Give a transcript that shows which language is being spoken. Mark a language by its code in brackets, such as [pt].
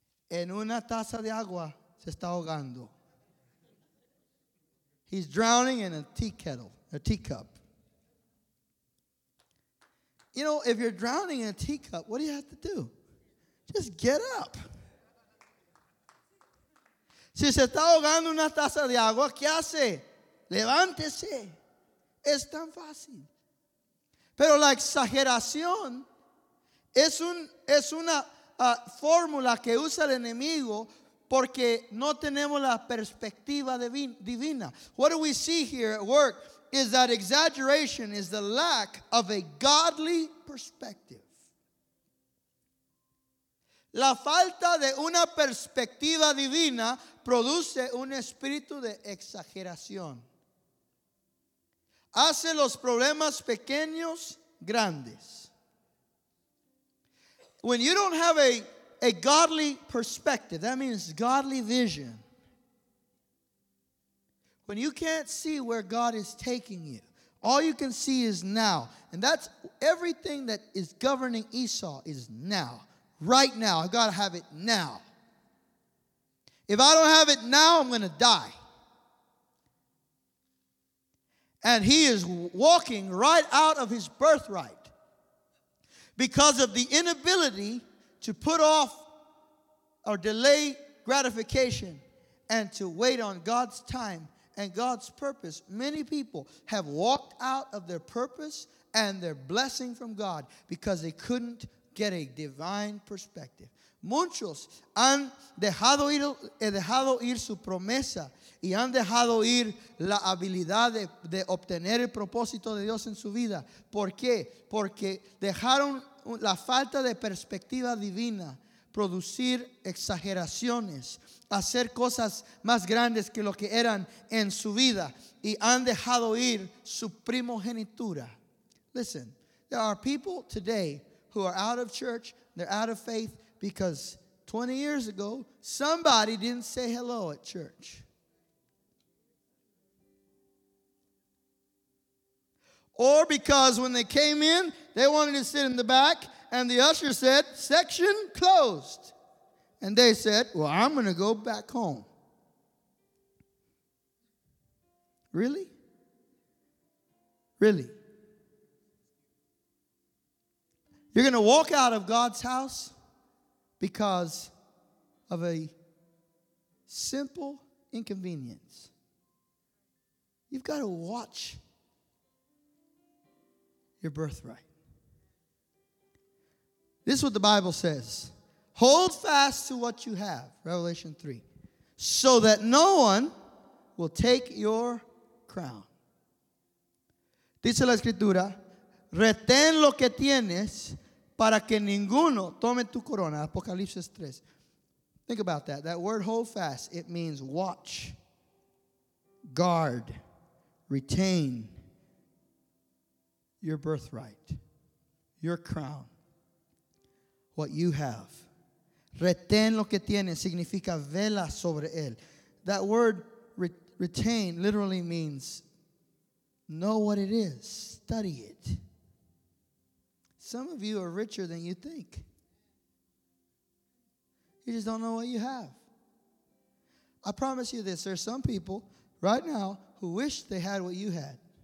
[es] En una taza de agua se está ahogando. [en] He's drowning in a teacup. You know, if you're drowning in a teacup, what do you have to do? Just get up. [es] Si se está ahogando una taza de agua, ¿qué hace? Levántese. Es tan fácil. Pero la exageración es una fórmula que usa el enemigo porque no tenemos la perspectiva divina. [en] What do we see here at work is that exaggeration is the lack of a godly perspective. [es] La falta de una perspectiva divina produce un espíritu de exageración. Hace los problemas pequeños grandes. [en] When you don't have a godly perspective, that means godly vision. When you can't see where God is taking you, all you can see is now. And that's everything that is governing Esau is now. Right now. I've got to have it now. If I don't have it now, I'm going to die. And he is walking right out of his birthright. Because of the inability to put off or delay gratification and to wait on God's time and God's purpose, many people have walked out of their purpose and their blessing from God because they couldn't get a divine perspective. [es] Muchos han dejado ir su promesa y han dejado ir la habilidad de obtener el propósito de Dios en su vida. ¿Por qué? Porque dejaron la falta de perspectiva divina, producir exageraciones, hacer cosas más grandes que lo que eran en su vida, y han dejado ir su primogenitura. [en] Listen, there are people today who are out of church, they're out of faith, because 20 years ago, somebody didn't say hello at church. Or because when they came in, they wanted to sit in the back, and the usher said, section closed. And they said, well, I'm going to go back home. Really? Really? You're going to walk out of God's house because of a simple inconvenience. You've got to watch your birthright. This is what the Bible says. Hold fast to what you have, Revelation 3, so that no one will take your crown. [es] Dice la Escritura, retén lo que tienes para que ninguno tome tu corona, Apocalipsis 3. [en] Think about that. That word hold fast, it means watch, guard, retain your birthright, your crown, what you have. [es] Retén lo que tienes significa vela sobre él. [en] That word retain literally means know what it is. Study it. Some of you are richer than you think. You just don't know what you have. I promise you this. There are some people right now who wish they had what you had.